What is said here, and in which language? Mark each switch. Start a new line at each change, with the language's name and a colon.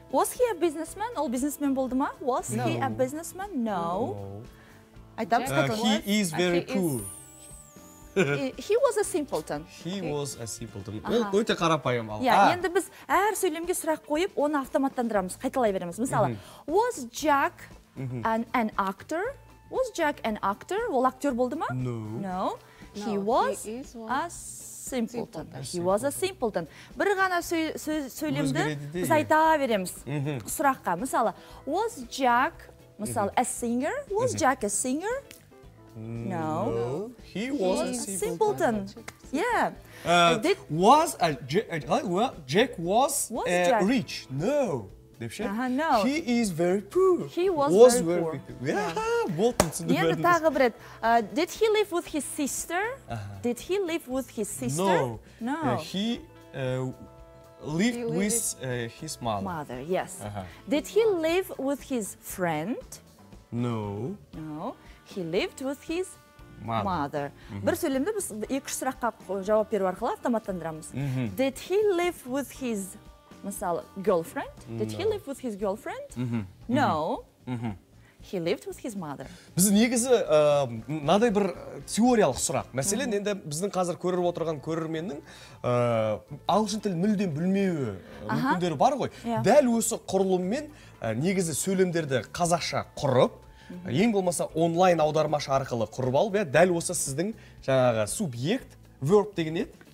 English: Was he a businessman?
Kazakh: Ол бизнесмен болды ма?
English: Was he a businessman? No. He is very poor. He was a simpleton. He was a simpleton.
Kazakh: Ол өте қарапайым ал. Енді біз әр сөйлемге сұрақ қойып, оны автоматтандырамыз, қайталай береміз.
English: Мысалы, was Jack an actor? Was Jack an actor?
Kazakh: Ол актер болды ма?
English: No. No. He was a simpleton. He was a simpleton.
Kazakh: Бір ғана сөйлемді біз айта береміз сұраққа.
English: Мысалы, was Jack a singer? Was Jack a singer? No. He was a simpleton. Yeah. Was a Jack was rich? No. No. He is very poor. He was very poor. Yeah.
Russian: Вот он сын.
English: Did he live with his sister? Did he live with his sister? No. No. He lived with his mother. Mother. Yes. Did he live with his friend? No. No. He lived with his mother.
Kazakh: Бір сөйлемді біз екі сұраққа жауап беру арқылы автоматтандырамыз.
English: Did he live with his, мысалы, girlfriend? Did he live with his girlfriend? No. He lived with his mother.
Kazakh: Біз негізі мынадай бір теориялық сұрақ. Мәселен, енді біздің қазір көріп отырған көрерменнің ағылшын тілін мүлдем білмеуі мүмкіндері бар ғой. Дәл осы құрылыммен негізі сөйлемдерді қазақша құрып, ең болмаса онлайн аудармашы арқылы құрып алып, дәл осы сіздің жаңағы субъект, verb деген еді?